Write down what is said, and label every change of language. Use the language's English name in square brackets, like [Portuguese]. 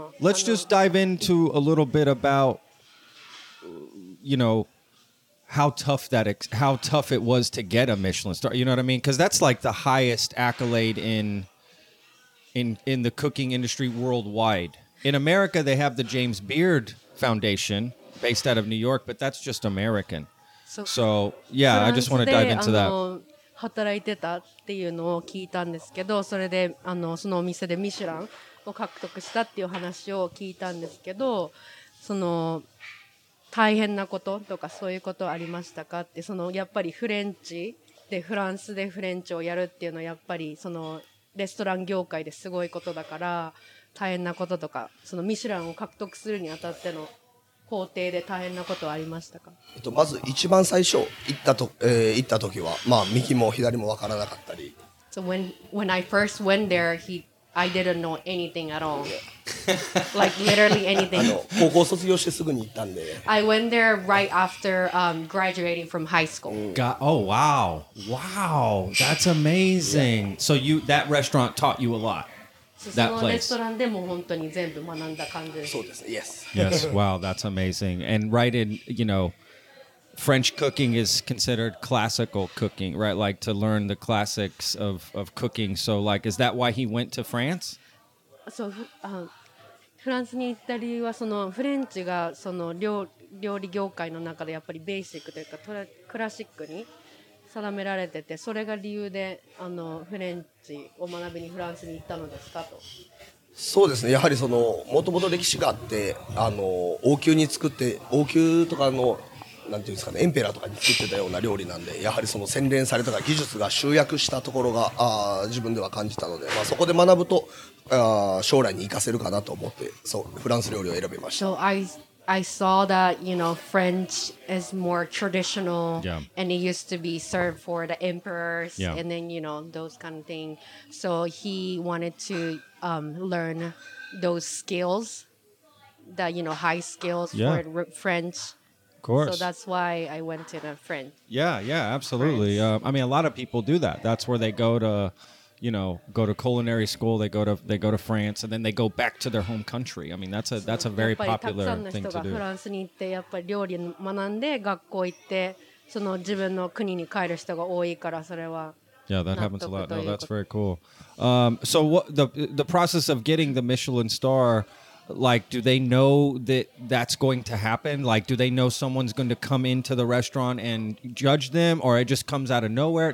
[English] Let's just dive into a little bit about, you know, how tough it was to get a Michelin star. You know what I mean? Because that's like the highest accolade in the cooking industry worldwide. In America, they have the James Beard Foundation based out of New York, but that's just American. So I just want to dive into that. [Japanese] その働いてたっていうのを聞いたんですけど、それであのその店でミシュランを獲得したっていう話を聞いたんですけど、その大変なこととかそういうことありましたかって、そのやっぱりフレンチでフランスでフレンチをやるっていうのはやっぱりその レストラン業界ですごいことだから、大変なこととか、そのミシュランを獲得するにあたっての工程で大変なことはありましたか？まず一番最初行ったと、行った時は、まあ、右も左もわからなかったり。 [English] So when I first went there, I didn't know anything at all. Like literally anything. [Japanese] 高校卒業してすぐに行ったんで。 [English] I went there right after graduating from high school. Oh, wow. Wow. That's amazing. Yeah. So that restaurant taught you a lot. That place. [Japanese] そのレストランでも本当に全部学んだ感じです。そうですね。Yes. [English] Yes. Wow, that's amazing. And right in, you know, French cooking is considered classical cooking, right? Like to learn the classics of cooking. So like, is that why he went to France? [Japanese] So, フランスに行った理由はそのフレンチがその料理業界の中でやっぱりベーシックというかクラシックに定められてて、それが理由でフレンチを学びにフランスに行ったのですかと。そうですね。やはりその元々歴史があって、王宮に作って王宮とかのなんていうんですかね、エンペラーとかに作ってたような料理なんで、やはりその洗練されたが技術が集約したところが自分では感じたので、まあ、そこで学ぶと将来に生かせるかなと思って、そうフランス料理を選びました。 [English] So I saw that you know French is more traditional, yeah. And it used to be served for the emperors, yeah. And then you know those kind of thing. So he wanted to learn those skills, that you know high skills, yeah. For French. Of course. So that's why I went to the French. Yeah, absolutely. I mean, a lot of people do that. That's where they go to, you know, go to culinary school. They go to France, and then they go back to their home country. I mean, that's a very popular thing to do. [Japanese] やっぱりたくさんの人がフランスに行って、やっぱり料理学んで学校行って、その自分の国に帰る人が多いから、それは。 [English] Yeah, that happens a lot. No, that's very cool. So what the process of getting the Michelin star? Like, do they know that that's going to happen? Like, do they know someone's going to come into the restaurant and judge them, or it just comes out of nowhere?